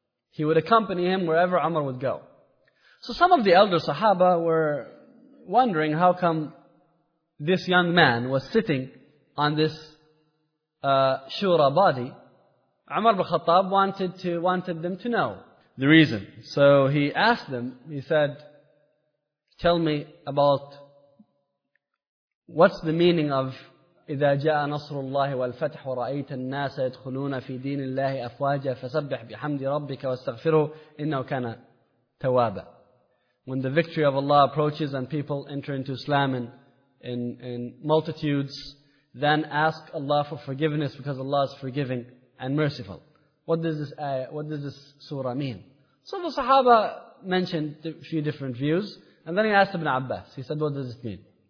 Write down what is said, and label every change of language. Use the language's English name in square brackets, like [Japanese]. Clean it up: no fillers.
[English] He would accompany him wherever Umar would go. So some of the elder Sahaba were wondering how come this young man was sitting on this shura body. Umar ibn Khattab wanted them to know the reason. So he asked them, he said, tell me about what's the meaning of [Arabic] إِذَا جَاءَ نَصْرُ اللَّهِ وَالْفَتْحُ رَأَيْتَ النَّاسَ يَدْخُلُونَ فِي دِينِ اللَّهِ أَفْوَاجًا فَسَبِّحْ بِحَمْدِ رَبِّكَ وَاسْتَغْفِرُهُ إِنَّهُ كَانَ تَوَابًا. [English] When the victory of Allah approaches and people enter into Islam in multitudes, then ask Allah for forgiveness because Allah is forgiving and merciful. What does this ayah, what does this surah mean? So the Sahaba mentioned a few different views, and then he asked Ibn Abbas, he said, what does this mean?